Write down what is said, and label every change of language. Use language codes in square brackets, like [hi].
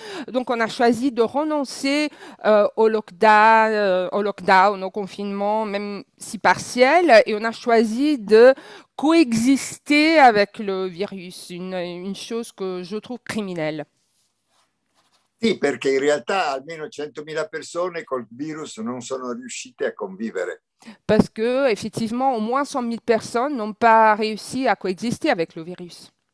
[fr] Donc on a choisi de renoncer au lockdown, au confinement, même si partiel, et on a choisi de coexister avec le virus, une chose que je trouve criminelle. [it] Sì, perché in realtà almeno 100.000 persone col virus non sono riuscite a convivere. [fr] Parce que effectivement, au moins 100 000 personnes n'ont pas réussi à coexister avec le virus.